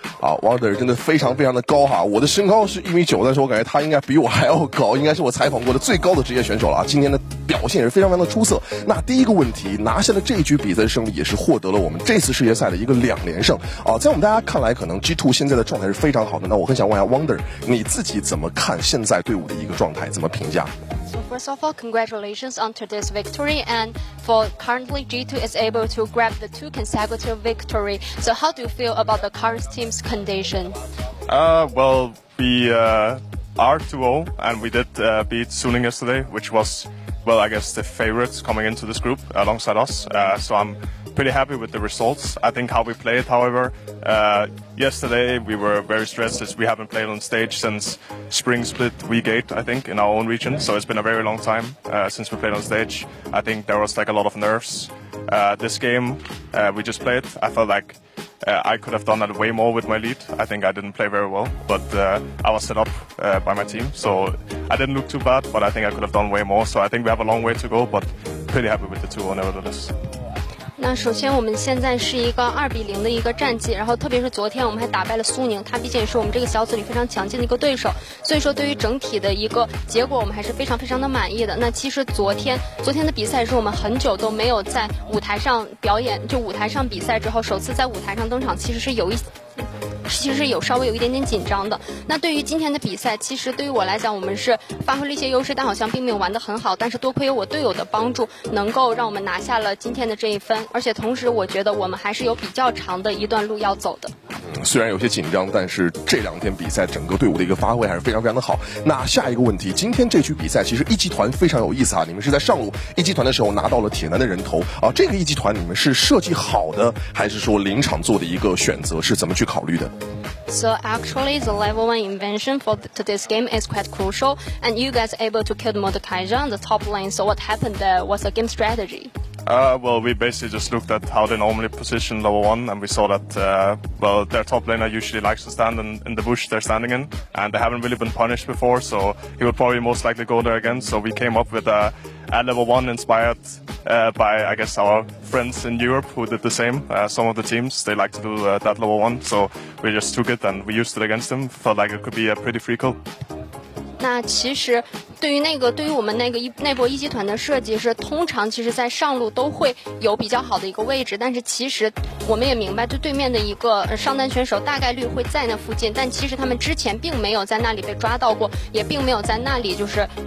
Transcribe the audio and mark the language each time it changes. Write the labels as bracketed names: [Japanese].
[Chinese] 啊， Wander 真的非常非常的高哈，我的身高是1米9，但是我感觉他应该比我还要高，应该是我采访过的最高的职业选手了啊。今天的表现也是非常非常的出色。那第一个问题，拿下了这一局比赛的胜利，也是获得了我们这次世界赛的一个两连胜啊。在我们大家看来，可能G2现在的状态是非常好的，那我很想问一下 Wander， 你自己怎么看现在队伍的一个状态，怎么评价？ [English] First of all, congratulations on today's victory, and for currently G2 is able to grab the 2 consecutive victory. So how do you feel about the current team's condition? Well, we are 2-0, and we did beat Suning yesterday, which was, well, I guess the favorite coming into this group alongside us. So I'm pretty happy with the results. I think how we played, however, yesterday we were very stressed as we haven't played on stage since spring split week 8, I think, in our own region. So it's been a very long time since we played on stage. I think there was like a lot of nerves. This game we just played, I felt like I could have done that way more with my lead. I think I didn't play very well, but I was set up by my team. So I didn't look too bad, but I think I could have done way more. So I think we have a long way to go, but pretty happy with the 2-0 nevertheless. [Chinese] 那首先我们现在是一个2-0的一个战绩，然后特别是昨天我们还打败了苏宁，他毕竟也是我们这个小组里非常强劲的一个对手，所以说对于整体的一个结果我们还是非常非常的满意的。那其实昨天的比赛是我们很久都没有在舞台上表演，就舞台上比赛之后首次在舞台上登场，其实是有稍微有一点点紧张的。那对于今天的比赛，其实对于我来讲，我们是发挥了一些优势，但好像并没有玩得很好。但是多亏有我队友的帮助，能够让我们拿下了今天的这一分。而且同时，我觉得我们还是有比较长的一段路要走的。虽然有些紧张，但是这两天比赛整个队伍的一个发挥还是非常非常的好。那下一个问题，今天这局比赛其实一集团非常有意思啊，你们是在上路一集团的时候拿到了铁男的人头啊，这个一集团你们是设计好的，还是说临场做的一个选择，是怎么去考虑的？ [English] So actually, the level 1 invention for today's game is quite crucial, and you guys able to kill Mordekaiser on the top lane. So what happened there? What's the game strategy? Well, we basically just looked at how they normally position level 1, and we saw that, well, their top laner usually likes to stand in the bush they're standing in, and they haven't really been punished before, so he would probably most likely go there again. So we came up with a level 1 inspired by, I guess, our friends in Europe who did the same. Some of the teams, they like to do that level 1, so we just took it and we used it against them. Felt like it could be a pretty free kill. [Chinese] 那其实对于我们那波一级团的设计是通常其实在上路都会有比较好的一个位置，但是其实我们也明白就对面的一个上单选手大概率会在那附近，但其实他们之前并没有在那里被抓到过，也并没有在那里就是